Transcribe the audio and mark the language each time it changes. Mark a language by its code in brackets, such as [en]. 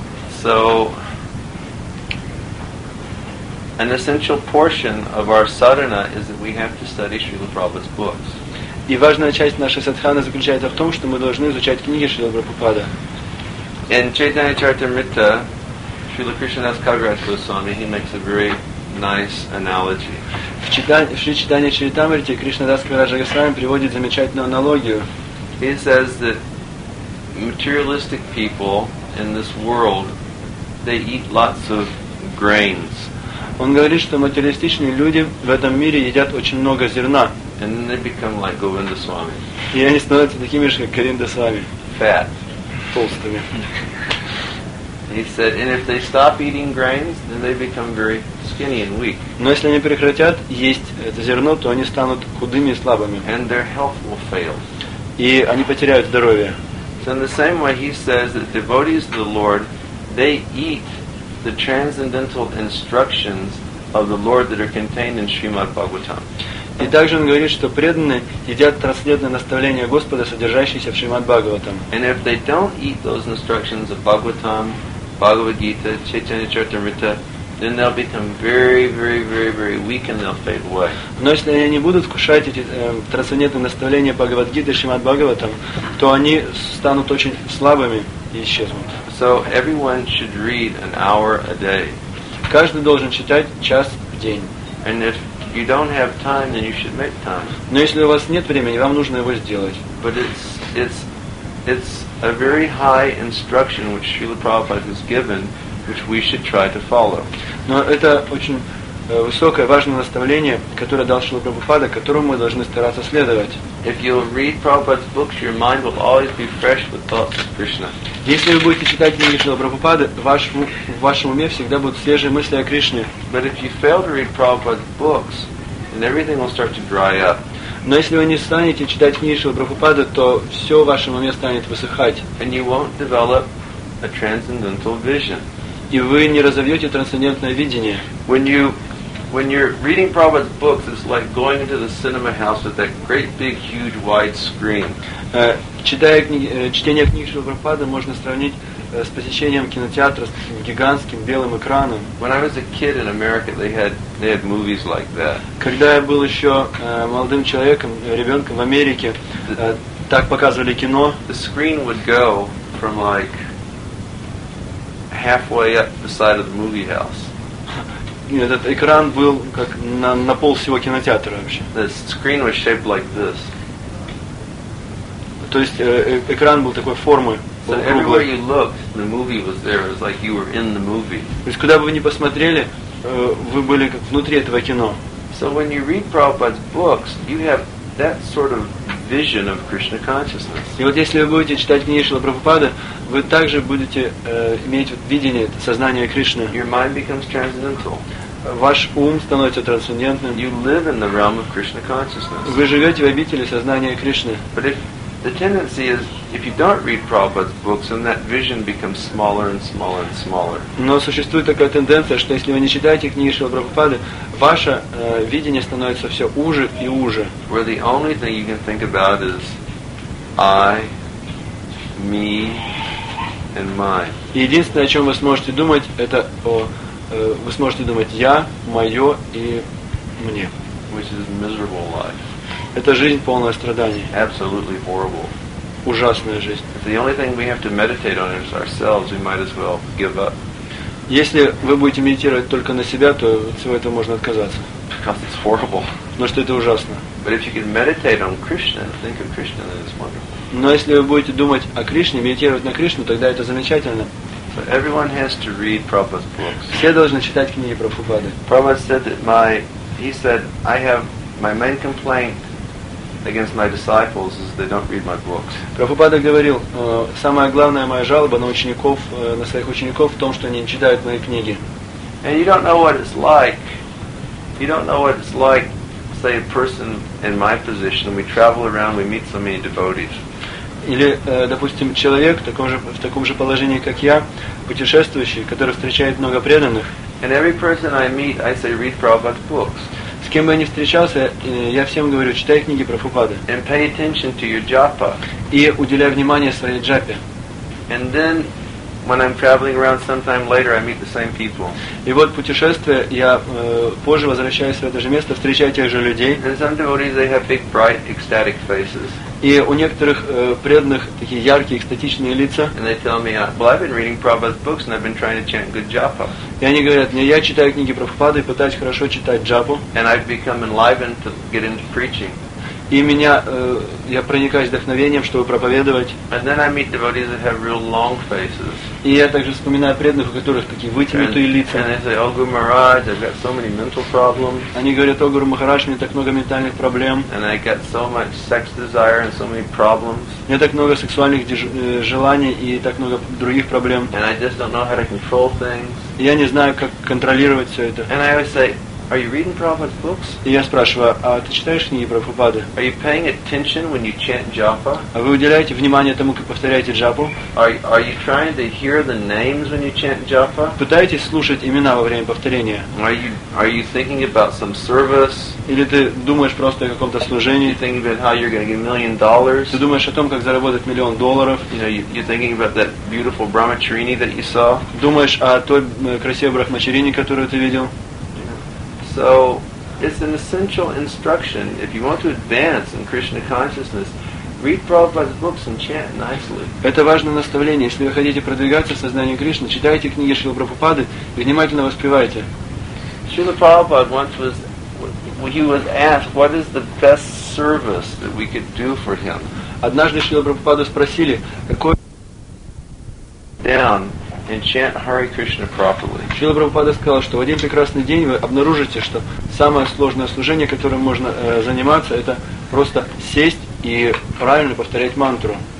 [en] So, an essential portion of our sadhana is that we have to study Srila Prabhupada's books. [ru] И важная часть нашей садханы заключается в том, что мы должны изучать книги Шрилы Прабхупады. [en] In Chaitanya Charitamrita, Srila Krishnadas Kaviraj Goswami, he makes a very nice analogy. [ru] В Шри Чайтанья Чаритамрите Кришнадас Кавираджа Госвами приводит замечательную аналогию. [en] He says that materialistic people in this world, they eat lots of grains. [ru] Он говорит, что материалистичные люди в этом мире едят очень много зерна. [en] And then they become like Govinda Swami. [ru] И они становятся такими же, как Говинда Свами. [en] Fat. [ru] Толстыми. [en] He said, and if they stop eating grains, then they become very skinny and weak. [ru] Но если они прекратят есть это зерно, то они станут худыми и слабыми. [en] And their health will fail. [ru] И они потеряют здоровье. [en] So in the same way, he says that devotees of the Lord, they eat the transcendental instructions of the Lord that are contained in Srimad Bhagavatam. [ru] И также он говорит, что преданные едят трансцендентные наставления Господа, содержащиеся в Шримад Бхагаватам. [en] And if they don't eat those instructions of Bhagavatam, Bhagavad Gita, Chaitanya Charitamrita, then they'll become very, very, very, very weak and they'll fade away. [ru] Но если они не будут кушать эти трансцендентные наставления Бхагавад Гиты, Шримад Бхагаватам, то они станут очень слабыми и исчезнут. [en] So everyone should read an hour a day. [ru] Каждый должен читать час в день. [en] And if you don't have time, then you should make time. [ru] Но если у вас нет времени, вам нужно его сделать. [en] But it's a very high instruction which Srila Prabhupada has given, which we should try to follow. [ru] Но это очень высокое, важное наставление, которое дал Шрила Прабхупада, которому мы должны стараться следовать. [en] If you read Prabhupada's books, your mind will always be fresh with thoughts of Krishna. [ru] Если вы будете читать книги Шрила Прабхупады, в вашем уме всегда будут свежие мысли о Кришне. [en] But if you fail to read Prabhupada's books, then everything will start to dry up. [ru] Но если вы не станете читать книги Шрила Прабхупады, то все в вашем уме станет высыхать. [en] And you won't develop a transcendental vision. [ru] И вы не разовьете трансцендентное видение. [en] When you're reading Prabhupada's books, it's like going into the cinema house with that great big huge wide screen. [ru] Чтение книг Шрилы Прабхупады можно сравнить с посещением кинотеатра с гигантским белым экраном. [en] When I was a kid in America, they had movies like that. [ru] Когда я был еще молодым человеком, ребенком в Америке, так показывали кино. [en] The screen would go from like halfway up the side of the movie house. [ru] Этот экран был как на пол всего кинотеатра вообще. [en] The screen was shaped like this. [ru] То есть экран был такой формы. [en] So everywhere you looked, the movie was there. It was like you were in the movie. [ru] То есть куда бы вы ни посмотрели, вы были как внутри этого кино. [en] So when you read Prabhupada's books, you have that sort of vision of Krishna consciousness. [ru] И вот если вы будете читать книги Шрилы Прабхупады, вы также будете иметь видение сознания Кришны. [en] Your mind becomes transcendental. [ru] Ваш ум становится трансцендентным. [en] You live in the realm of Krishna consciousness. [ru] Вы живете в обители сознания Кришны. [en] But if the tendency is if you don't read Prabhupada's books, then that vision becomes smaller and smaller and smaller. [ru] Но существует такая тенденция, что если вы не читаете книги Шрилы Прабхупады, ваше видение становится все уже и уже. [en] Where the only thing you can think about is I, me, and mine. [ru] Единственное, о чем вы сможете думать, это о вы сможете думать я, мое и мне. [en] Which is a miserable life. [ru] Это жизнь полная страданий. [en] Absolutely horrible. [ru] Ужасная жизнь. [en] If the only thing we have to meditate on is ourselves, we might as well give up. [ru] Если вы будете медитировать только на себя, то от всего этого можно отказаться. [en] Because it's horrible. [ru] Но что это ужасно. [en] But if you can meditate on Krishna, think of Krishna, then it's wonderful. [ru] Но если вы будете думать о Кришне, медитировать на Кришну, тогда это замечательно. [en] So everyone has to read Prabhupada's books. [ru] Все должны читать книги Прабхупады. [en] Prabhupada said that I have my main complaint against my disciples is they don't read my books. [ru] Прабхупада говорил, самая главная моя жалоба на учеников, на своих учеников в том, что они не читают мои книги. [en] And you don't know what it's like. You don't know what it's like. Say a person in my position, we travel around, we meet so many devotees. [ru] Или, допустим, человек в таком же положении, как я, путешествующий, который встречает много преданных. [en] And every person I meet, I say, read Prabhupada's books. [ru] С кем бы я ни встречался, я всем говорю, читай книги Прабхупады. [en] And pay attention to your japa. [ru] И уделяй внимание своей джапе. [en] And then, when I'm traveling around sometime later, I meet the same people. [ru] И вот путешествие, я позже возвращаюсь в это же место, встречаю тех же людей. [en] And some devotees, they have big, bright, ecstatic faces. [ru] И у некоторых преданных такие яркие, экстатичные лица. [en] And they tell me, well, I've been reading Prabhupada's books and I've been trying to chant good japa. [ru] И они говорят мне, я читаю книги Прабхупады и пытаюсь хорошо читать джапу. [en] And I've become enlivened to get into preaching. [ru] И меня, я проникаюсь вдохновением, чтобы проповедовать. [en] And then I meet devotees that have real long faces. [ru] И я также вспоминаю преданных, у которых такие вытянутые лица. [en] And they say, oh, Guru Maharaj, I've got so many mental problems. [ru] Они говорят, о, Гуру Махарадж, у меня так много ментальных проблем. [en] And I get so much sex desire and so many problems. [ru] У меня так много сексуальных желаний и так много других проблем. [en] And I just don't know how to control things. [ru] И я не знаю, как контролировать все это. [en] And I always say, are you reading Prabhupada's books? [ru] И я спрашиваю, а ты читаешь книги Прабхупады? [en] Are you paying attention when you chant japa? [ru] А вы уделяете внимание тому, как повторяете джапу? [en] Are you trying to hear the names when you chant japa? [ru] Пытаетесь слушать имена во время повторения? [en] Are you thinking about some service? [ru] Или ты думаешь просто о каком-то служении? [en] You're thinking about how you're going to get $1,000,000. [ru] Ты думаешь о том, как заработать миллион долларов? [en] You know, you're thinking about that beautiful Brahmacharini that you saw. [ru] Думаешь о той красивой Брахмачарине, которую ты видел? [en] So it's an essential instruction. If you want to advance in Krishna consciousness, read Prabhupada's books and chant nicely. [ru] Это важное наставление. Если вы хотите продвигаться в сознании Кришны, читайте книги Шрилы Прабхупады и внимательно воспевайте. [en] Srila Prabhupada once was he was asked what is the best service that we could do for him. [ru] Однажды Шрилу Прабхупаду спросили, какой [en] down. And chant Hare Krishna properly. [ru] Шрила Прабхупада сказал, что в один прекрасный день вы обнаружите, что самое сложное служение, которым можно заниматься, это просто сесть и правильно повторять мантру.